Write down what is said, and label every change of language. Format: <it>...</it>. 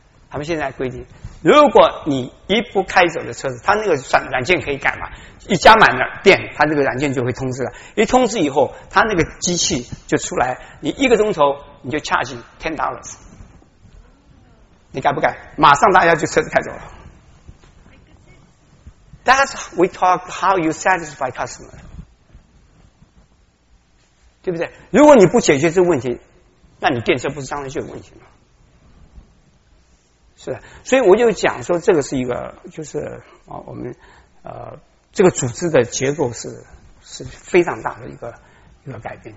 <zh>他们现在规定，如果你一不开走的车子，他那个算软件可以改嘛，一加满了电，他这个软件就会通知了。一通知以后，他那个机器就出来，你一个钟头你就charge $10，你改不改？马上大家就车子开走了。</zh> <en>That's we talk how you satisfy customer，</en> <zh>对不对？如果你不解决这个问题，那你电车不是当然就有问题吗？是的，所以我就讲说，这个是一个，就是啊，我们这个组织的结构是非常大的一个改变。</zh>